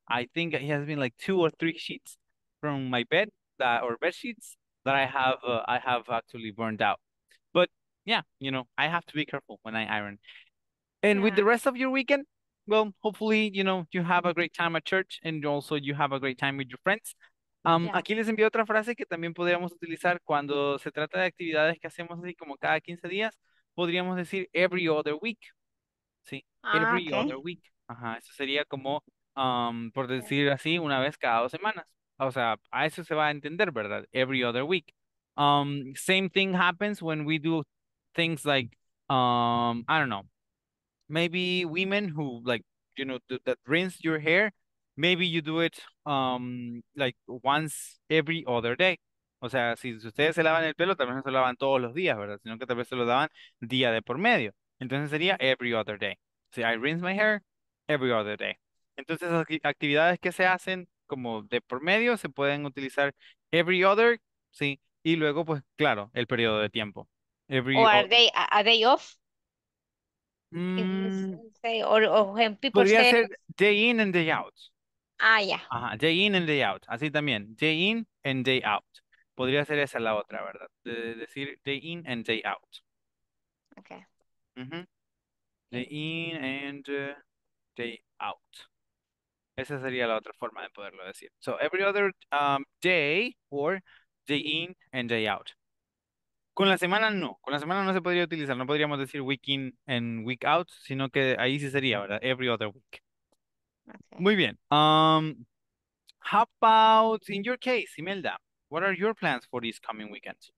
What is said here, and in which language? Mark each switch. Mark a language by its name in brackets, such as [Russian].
[English] I think it has been like 2 or 3 sheets from my bed. Or bed sheets that I have actually burned out. But yeah, you know, I have to be careful when I iron. And with the rest of your weekend, well, hopefully, you know, you have a great time at church and also you have a great time with your friends. [Spanish] Aquí les envío otra frase que también podríamos utilizar cuando se trata de actividades que hacemos así como cada 15 días, podríamos decir [English] every other week. [Spanish] Sí, [English] every other week. [Spanish] Ajá, eso sería como, por decir así, una vez cada 2 semanas. O sea, a eso se va a entender, ¿verdad? [English] Every other week. Same thing happens when we do things like, I don't know, maybe women who, like, you know, that rinse your hair, maybe you do it, like, once every other day. [Spanish] O sea, si ustedes se lavan el pelo, tal vez no se lo lavan todos los días, ¿verdad? Sino que tal vez se lo lavan día de por medio. Entonces sería [English] every other day. Si I rinse my hair, every other day. [Spanish] Entonces, actividades que se hacen, como de por medio, se pueden utilizar [English] every other, [Spanish] sí, y luego, pues, claro, el periodo de tiempo. [English] Every or other. Are they off? Say, or when people [Spanish] podría [English] say... ser day in and day out. Ah, yeah. Ajá, day in and day out, [Spanish] así también, [English] day in and day out. [Spanish] Podría ser esa la otra, ¿verdad? De decir [English] day in and day out. Okay. Day in and day out. [Spanish] Esa sería la otra forma de poderlo decir. [English] So, every other day or day in and day out. [Spanish] Con la semana no. Con la semana no se podría utilizar. No podríamos decir [English] week in and week out, [Spanish] sino que ahí sí sería, ¿verdad? [English] Every other week. Okay. [Spanish] Muy bien. [English] How about, in your case, Imelda, what are your plans for this coming weekend?